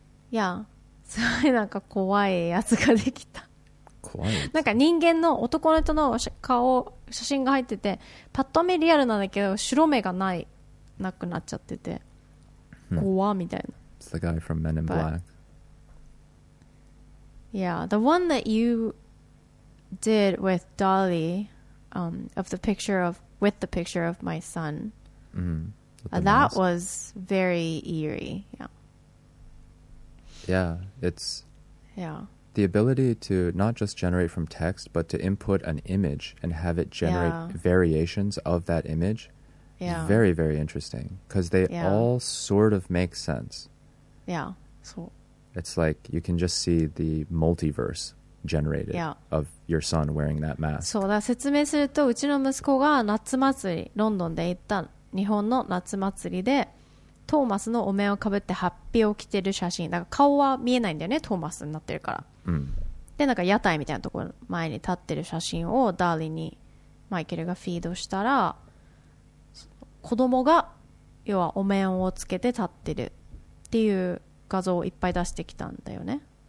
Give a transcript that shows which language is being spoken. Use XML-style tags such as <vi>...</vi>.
<en>Yeah.</en> <ja>すごいなんか怖いやつができた。怖い。なんか人間の男の人の顔写真が入ってて、パッと見リアルなんだけど白目がないなくなっちゃってて、怖みたいな。</ja> <en>It's the guy from Men in Black. Yeah, the one that you did with DALL-E, with the picture of my son. Mm-hmm. That was very eerie. Yeah. Yeah, it's. Yeah. The ability to not just generate from text, but to input an image and have it generate variations of that image is very, very interesting. Because they all sort of make sense. Yeah. So, it's like you can just see the multiverse generated of your son wearing that mask.</en> <ja>そうだ、説明すると、うちの息子が夏祭り、ロンドンで行った日本の夏祭りで、トーマスのお面をかぶってハッピーを着てる写真。だから顔は見えないんだよね、トーマスになってるから。でなんか屋台みたいなところ前に立ってる写真をダーリンにマイケルがフィードしたら、子供が要はお面をつけて立ってるっていう画像をいっぱい出してきたんだよね。</ja>